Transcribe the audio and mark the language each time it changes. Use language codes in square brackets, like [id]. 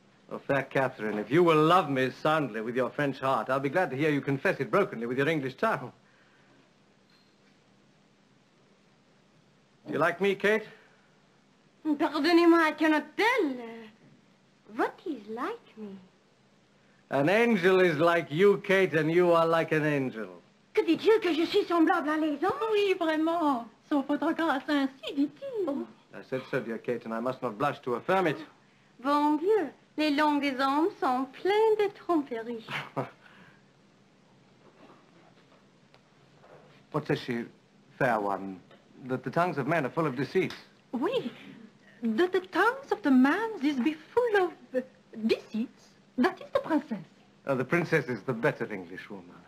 [en] Oh, fair Catherine, if you will love me soundly with your French heart, I'll be glad to hear you confess it brokenly with your English tongue. Do you like me, Kate? [fr] Pardonnez-moi, [en] I cannot tell. What is like me? An angel is like you, Kate, and you are like an angel. [fr] Que dit-il que je suis semblable à les anges? Oui, vraiment. Sans votre grâce, ainsi dit-il. Oh. [en] I said so, dear Kate, and I must not blush to affirm it. [fr] Bon Dieu, les longues hommes sont pleins de tromperies. [en] What says she, fair one, that the tongues of men are full of deceit? [fr] Oui. [en] That the tongues of the man is be full of deceits, that is the princess. Oh, the princess is the better Englishwoman.